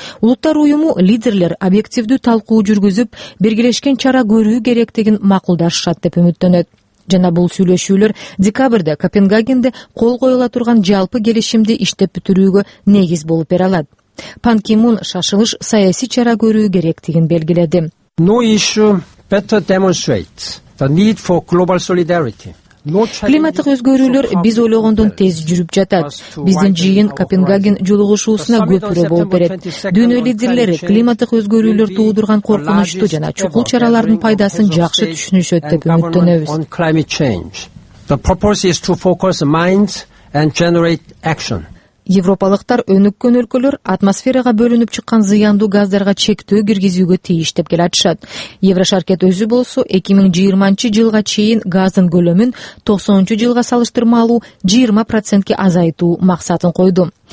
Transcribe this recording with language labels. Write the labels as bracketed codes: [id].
[ky] Улуттар уюму лидерлер объективдүү талкуу жүргүзүп, бергилешкен чара көрүү керектигин макулдашышат деп үмүттөнөт. Жана бул сүйлөшүүлөр декабрда Копенгагенде кол коюла турган жалпы келишимди иштеп бүтүрүүгө негиз болуп бере алат. Пан Ки Мун шашылыш саясий чара көрүү керектигин белгиледи. [en] No issue better demonstrates the need for global solidarity. [ky] Климаттык өзгөрүүлөр биз ойлогондон тез жүрүп жатат. Биздин жыйын Копенгаген жолугушуусуна көп үрө болуп берет. Дүйнө лидерлери климаттык өзгөрүүлөр туудурган коркунучту жана чукул чаралардын пайдасын жакшы түшүнүшөт деп үмүттөнөбүз. [en] The purpose is to focus minds and generate action. [ky] Европалыктар өнүккөн өлкөлөр атмосферага бөлүнүп чыккан зыяндуу газдарга чектөө киргизүүгө тийиш деп келатышат. Еврошаркет өзү болсо 2020 жылга чейин газдын көлөмүн 90 жылга салыштырмалуу 20% азайтуу максатын койду.